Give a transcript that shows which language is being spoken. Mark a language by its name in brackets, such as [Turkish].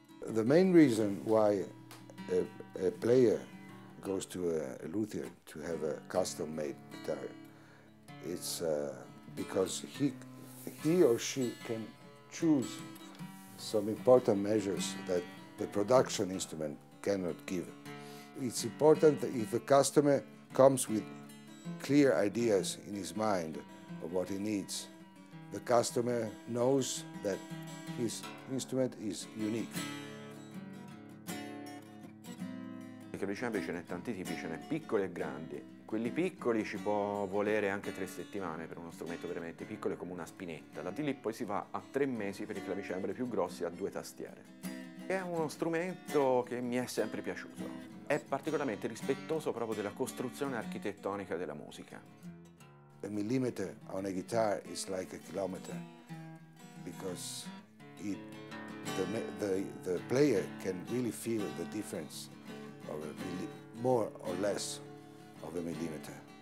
[English] The main reason why a player goes to a luthier to have a custom made guitar is because he or she can choose some important measures that the production instrument cannot give. It's important that if a customer comes with clear ideas in his mind of what he needs, the customer knows that his instrument is unique. [Italian] I clavicembali ce ne sono tanti tipi, ce ne sono piccoli e grandi. Quelli piccoli ci può volere anche 3 settimane per uno strumento veramente piccolo, è come una spinetta. Da lì poi si va a 3 mesi per i clavicembali più grossi a 2 tastiere. È uno strumento che mi è sempre piaciuto. È particolarmente rispettoso proprio della costruzione architettonica della musica. [English] A millimeter on a guitar is like a kilometer because it the player can really feel the difference of a more or less of a millimeter.